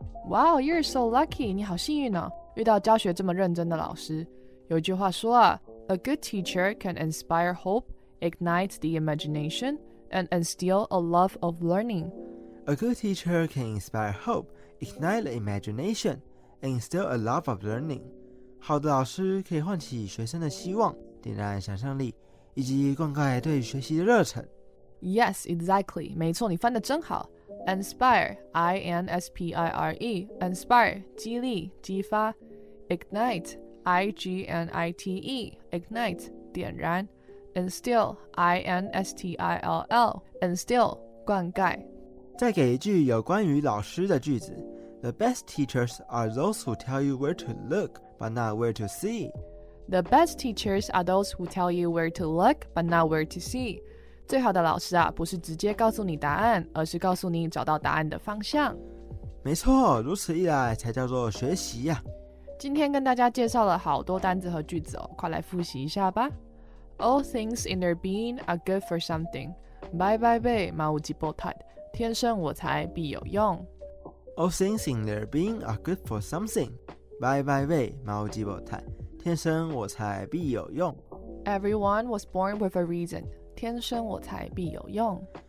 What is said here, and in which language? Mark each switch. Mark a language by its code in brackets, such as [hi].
[en] Wow, you're so lucky, [zh] 你好幸运哦，遇到教学这么认真的老师。有一句话说啊 [en] ,A good teacher can inspire hope, ignite the imagination, and instill a love of learning. A good teacher can inspire hope, ignite the imagination, and instill a love of learning. [zh] 好的老师可以唤起学生的希望，点燃想象力，以及灌溉对学习的热忱。 [en] Yes, exactly. [zh] 没错，你翻得真好。 [en] Inspire, I-N-S-P-I-R-E, inspire, 激励、激发。 Ignite, I-G-N-I-T-E, ignite, 点燃。 Instill, I-N-S-T-I-L-L, instill, 灌溉。 [zh] 再给一句有关于老师的句子 [en] The best teachers are those who tell you where to look, but not where to see. The best teachers are those who tell you where to look, but not where to see. [zh] 最好的老师啊，不是直接告诉你答案，而是告诉你找到答案的方向。没错，如此一来才叫做学习啊。今天跟大家介绍了好多单字和句子哦，快来复习一下吧。 [en] All things in their being are good for something. [zh] Bye bye bye, 马无极波泰。天生我才必有用。 [en] All things in their being are good for something. Bye bye bye, [zh] 毛鸡不太。天生我才必有用。 [en] Everyone was born with a reason. [zh] 天生我材必有用。